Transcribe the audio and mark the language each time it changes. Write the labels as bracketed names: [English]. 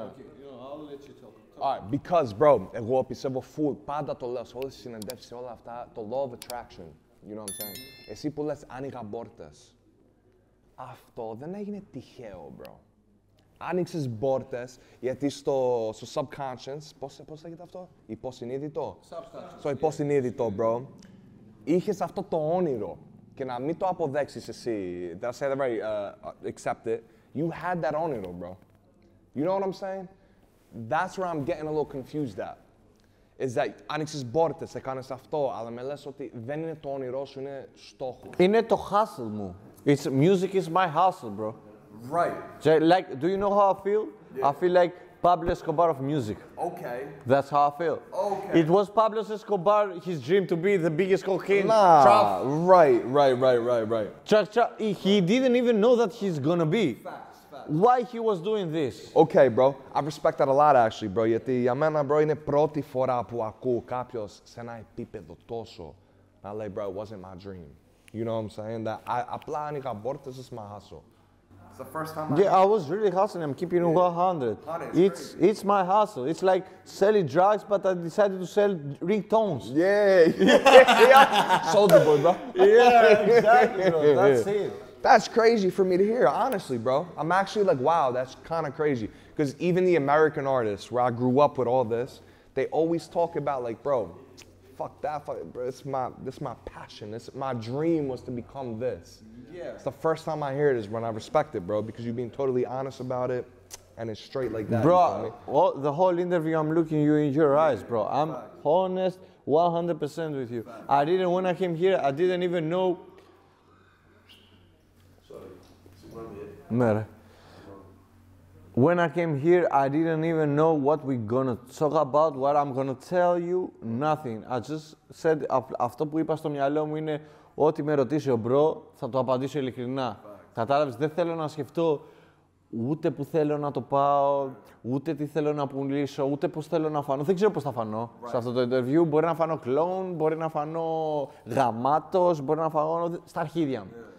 [English] Okay, you know, I'll let you talk. [Greek] All right, because, bro, εγώ πιστεύω full, πάντα το λέω σε όλες τις συνεντεύσεις, σε όλα αυτά, το law of attraction, [English] you know what I'm saying. [Greek] Εσύ που λες, άνοιγα πόρτες. Αυτό δεν έγινε τυχαίο, bro. Άνοιξες πόρτες, γιατί στο subconscious, πώς λέγεται αυτό, υποσυνείδητο. [English] Subconscious. [Greek] Στο υποσυνείδητο, bro. Είχες αυτό το όνειρο και να μην το αποδέξεις εσύ. [English] That I said very accept it. You had that όνειρο, bro. You know what I'm saying? That's where I'm getting a little confused at. [Greek] Is that άνοιξες πόρτες, έκανες αυτό, αλλά με λες ότι δεν είναι το όνειρό σου, είναι στόχος. Είναι το hustle μου. [English] It's music is my hustle, bro. Right. Like, do you know how I feel? Yeah. I feel like Pablo Escobar of music. Okay. That's how I feel. Okay. It was Pablo Escobar, his dream to be the biggest cocaine. Nah. Right. He didn't even know that he's gonna be. Facts. Why he was doing this? Okay, bro. I respect that a lot, actually, bro. [Greek] Γιατί για μένα, bro, είναι πρώτη φορά που ακούω κάποιος σε ένα επίπεδο τόσο [English] I'm like, bro, it wasn't my dream. You know what I'm saying? That I [Greek] απλά άνοιγα πόρτες στο [English] my hustle. It's the first time I was really hustling. I'm keeping 100. It's my hustle. It's like selling drugs, but I decided to sell ringtones. Yeah. Soldier boy, bro. Yeah, exactly, bro. That's it. That's crazy for me to hear, honestly, bro. I'm actually like, wow, that's kind of crazy. Because even the American artists, where I grew up with all this, they always talk about like, bro, fuck that, bro, this is my passion. This my dream was to become this. Yeah. It's the first time I hear it is when I respect it, bro, because you've been totally honest about it, and it's straight like that. Bro, well, the whole interview, I'm looking you in your eyes, bro. I'm honest 100% with you. I didn't, when I came here, I didn't even know. When I came here, I didn't even know what we're gonna talk about, what I'm gonna tell you, nothing. I just said, [Greek] αυτό που είπα στο μυαλό μου είναι ό,τι με ρωτήσει ο μπρο, θα το απαντήσω ειλικρινά. Κατάλαβες, δεν θέλω να σκεφτώ ούτε που θέλω να το πάω, ούτε τι θέλω να πουλήσω, ούτε πώς θέλω να φανώ. Δεν ξέρω πώς θα φανώ σε αυτό το interview. Μπορεί να φανώ κλόουν, μπορεί να φανώ γαμάτος, μπορεί να φανώ στα αρχίδια μου.